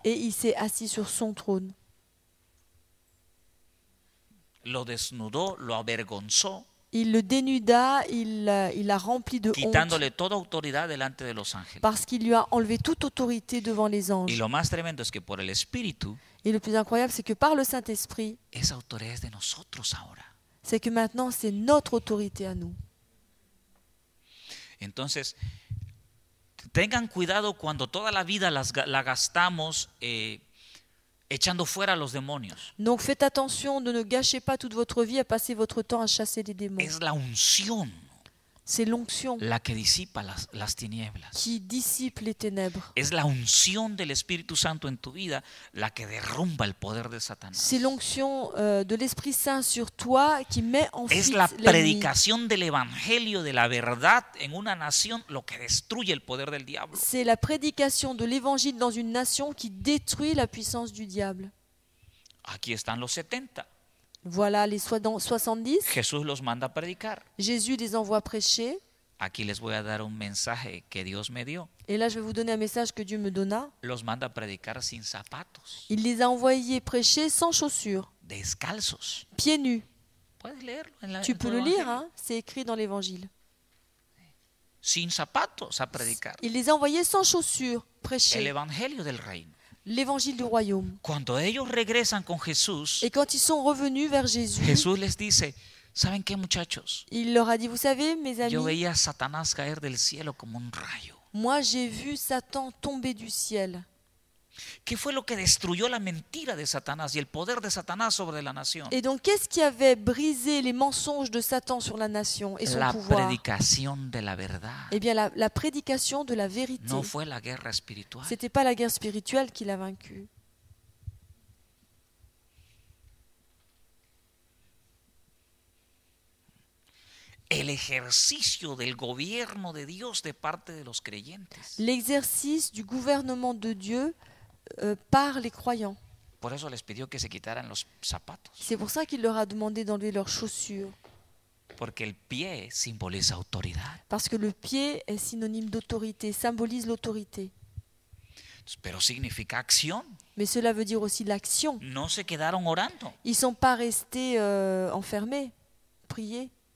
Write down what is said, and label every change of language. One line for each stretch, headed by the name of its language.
French: Et il s'est assis sur son trône.
Spanish: Lo desnudó, lo avergonzó.
French: Il le dénuda, il l'a rempli de honte.
Spanish: Quitándole toda autoridad delante de los ángeles.
French: Parce qu'il lui a enlevé toute autorité devant les anges.
Spanish: Y lo más tremendo es que por el Espíritu.
French: Et le plus incroyable, c'est que par le Saint-Esprit.
Spanish: Esa autoridad es de nosotros ahora.
French: C'est que maintenant c'est notre autorité à nous.
Spanish: Entonces, tengan cuidado cuando toda la vida la gastamos. Echando fuera a los demonios.
French: Donc faites attention de ne gâcher pas toute votre vie à passer votre temps à chasser les démons.
Spanish: Es la unción.
French: C'est l'onction.
Spanish: La que disipa las tinieblas.
French: Qui dissipe les ténèbres.
Spanish: Es la unción del Espíritu Santo en tu vida la que derrumba el poder de Satanás.
French: C'est l'onction de l'Esprit Saint sur toi qui met en fuite.
Spanish: Es la predicación del evangelio de la verdad en una nación lo que destruye el poder del diablo.
French: C'est la prédication de l'évangile dans une nation qui détruit la puissance du diable.
Spanish: Aquí están los 70.
French: Voilà les 70.
Spanish: Jesús los manda a predicar.
French: Jésus les envoie prêcher.
Spanish: Aquí les voy a dar un mensaje que Dios me dio.
French: Et là je vais vous donner un message que Dieu me donna.
Spanish: Los manda a predicar sin zapatos.
French: Il les a envoyés prêcher sans chaussures.
Spanish: Descalzos.
French: Pieds nus.
Spanish: Puedes leerlo en la
French: Tu peux le lire, hein? C'est écrit dans l'évangile.
Spanish: Sin zapatos a predicar.
French: Il les a envoyés sans chaussures prêcher.
Spanish: El evangelio del reino.
French: L'évangile du royaume.
Spanish: Cuando ellos regresan con Jesús,
French: et quand ils sont revenus vers Jésus,
Spanish: Jesús les dice, ¿saben qué, muchachos?
French: Il leur a dit, vous savez, mes amis,
Spanish: yo veía a Satanás caer del cielo como un rayo.
French: Moi, j'ai vu Satan tomber du ciel.
Spanish: ¿Qué fue lo que destruyó la mentira de Satanás y el poder de Satanás sobre la nación?
French: Et donc, qu'est-ce qui avait brisé les mensonges de Satan sur la nation et son la pouvoir? La prédication de la verdad. Eh bien, la prédication de la vérité.
Spanish: No fue la guerra espiritual.
French: C'était pas la guerre spirituelle qui l'a vaincu.
Spanish: El ejercicio del gobierno de Dios de parte de los creyentes.
French: L'exercice du gouvernement de Dieu par les croyants.
Spanish: Por eso les pidió que se quitaran los zapatos.
French: C'est pour ça qu'il leur a demandé d'enlever leurs chaussures.
Spanish: porque el pie simboliza autoridad.
French: Parce que le pied est synonyme d'autorité, symbolise l'autorité.
Spanish: Pero significa acción.
French: Mais cela veut dire aussi l'action.
Spanish: No se quedaron orando.
French: Ils sont pas restés enfermés, prier.